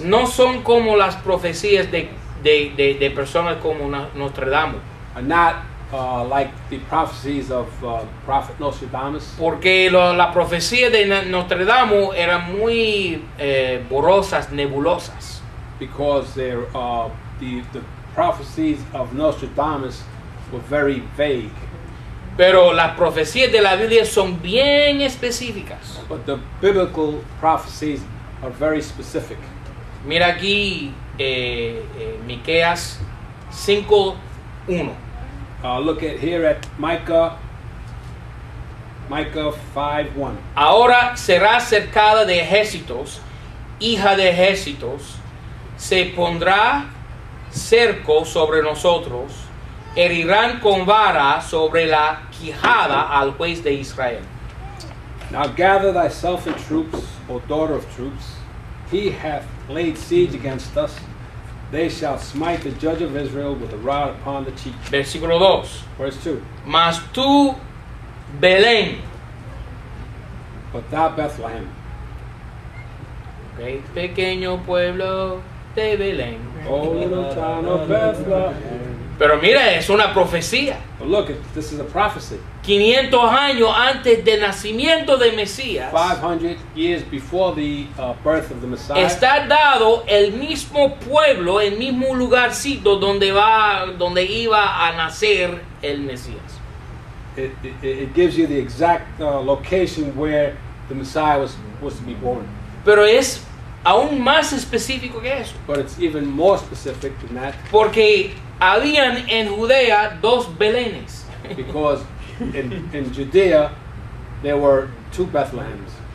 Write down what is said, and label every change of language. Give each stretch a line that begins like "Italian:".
Spanish: No son como las profecías de personas como Nostradamus.
English: Are not like the prophecies of prophet Nostradamus.
Spanish: Porque la profecía de Nostradamus era muy borrosas, nebulosas.
English: Because the prophecies of Nostradamus were very vague.
Spanish: Pero las profecías de la Biblia son bien específicas.
English: But the biblical prophecies are very specific.
Spanish: Mira aquí Miqueas 5:1.
English: Look at here at Micah 5:1.
Spanish: Ahora será cercada de ejércitos, hija de ejércitos. Se pondrá cerco sobre nosotros, herirán con vara sobre la quijada al juez de Israel.
English: Now gather thyself in troops, O daughter of troops. He hath laid siege against us. They shall smite the judge of Israel with a rod upon the cheek.
Spanish: Versículo 2.
English: Verse 2.
Spanish: Mas tú, Belén.
English: But thou, Bethlehem.
Spanish: Great pequeño pueblo. De Belén.
English: Oh, town of Bethlehem.
Spanish: Pero mira, es una profecía.
English: But look, this is a prophecy.
Spanish: 500 años antes del nacimiento de Mesías.
English: 500 years before the birth of the Messiah.
Spanish: Está dado el mismo pueblo, el mismo lugarcito donde iba a nacer el Mesías.
English: It gives you the exact location where the Messiah was supposed to be born.
Spanish: Pero es aún más específico que eso.
English: But it's even more specific than that.
Spanish: Porque habían en Judea dos Belenes.
English: Because in Judea there were two Bethlehems.